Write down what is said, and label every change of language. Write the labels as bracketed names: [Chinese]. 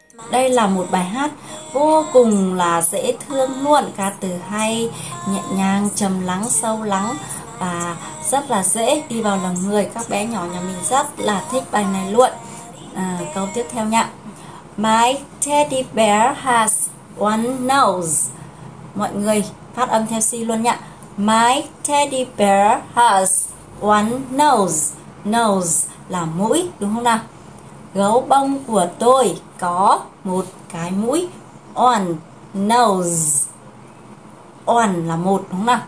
[Vietnamese] Đây là một bài hát vô cùng là dễ thương luôn, ca từ hay, nhẹ nhàng, trầm lắng, sâu lắng và rất là dễ đi vào lòng người. Các bé nhỏ nhà mình rất là thích bài này luôn. Câu tiếp theo nhé: [English] My teddy bear has one nose. [Vietnamese] Mọi người phát âm theo Si luôn nhé. [English] My teddy bear has one nose. [Vietnamese] Nose là mũi đúng không nào? Gấu bông của tôi có một cái mũi. [English] One nose. [Vietnamese] One là một đúng không nào?